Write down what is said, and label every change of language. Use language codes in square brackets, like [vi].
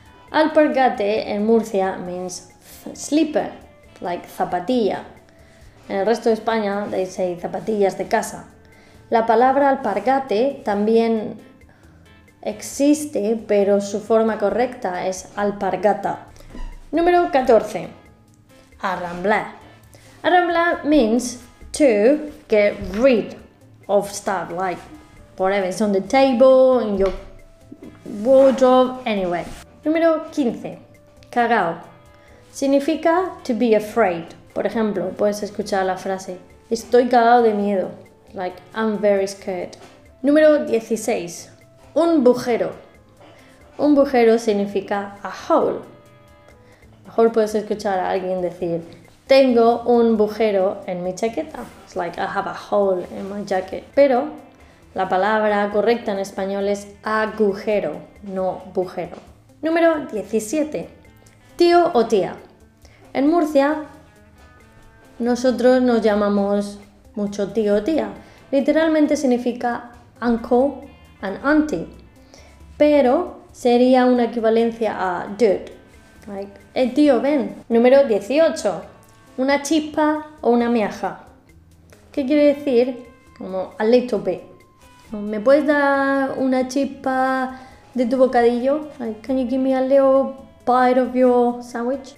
[en] Alpargate en Murcia means slipper, like zapatilla. [es] En el resto de España [en] they say [es] zapatillas de casa. La palabra alpargate también existe, pero su forma correcta es alpargata. Número 14. Arramblar. [en] Arramblar means to get rid of stuff, like whatever is on the table, in your wardrobe, anyway. [es] Número 15. Cagao. Significa [en] to be afraid. [es] Por ejemplo, puedes escuchar la frase, estoy cagao de miedo, [en] like I'm very scared. [es] Número 16. Un bujero. Un bujero significa [en] a hole. [es] Mejor puedes escuchar a alguien decir, tengo un bujero en mi chaqueta. [en] It's like I have a hole in my jacket. [es] Pero la palabra correcta en español es agujero, no bujero. Número 17. Tío o tía. En Murcia, nosotros nos llamamos mucho tío o tía. Literalmente significa [en] uncle and auntie. [es] Pero sería una equivalencia a dude. Like, tío, ven. Número 18. Una chispa o una miaja. ¿Qué quiere decir? Como [en] a little bit. [es] ¿Me puedes dar una chispa de tu bocadillo? [en] Like, can you give me a little bite of your sandwich?